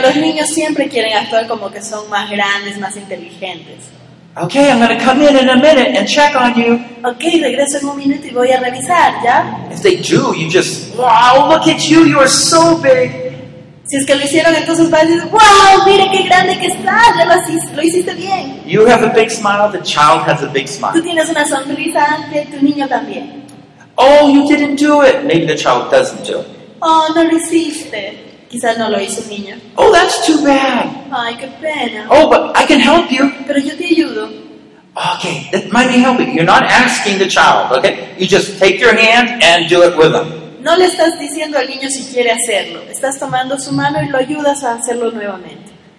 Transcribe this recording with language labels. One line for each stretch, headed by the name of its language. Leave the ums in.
Spanish: los niños siempre quieren actuar como que son más grandes, más inteligentes.
English: Okay, I'm going to come in in a minute and check on you.
Spanish: Okay, regreso en un minuto y voy a revisar, ¿ya?
English: If they do, you just, wow, look at you, you are so big.
Spanish: Si es que lo hicieron, entonces van a decir, wow, mire qué grande que estás, lo hiciste, bien.
English: You have a big smile, the child has a big smile.
Spanish: Tú tienes una sonrisa ante tu niño también.
English: Oh, you didn't do it. Maybe the child doesn't do it.
Spanish: Oh, no lo hiciste. Quizás no lo hizo niño.
English: Oh, that's too bad.
Spanish: Ay, qué pena.
English: Oh, but I can help you.
Spanish: Pero yo te ayudo.
English: Okay, that might be helping. You're not asking the child, okay? You just take your hand and do it with them.
Spanish: No le estás diciendo al niño si quiere hacerlo. Estás tomando su mano y lo ayudas a hacerlo nuevamente.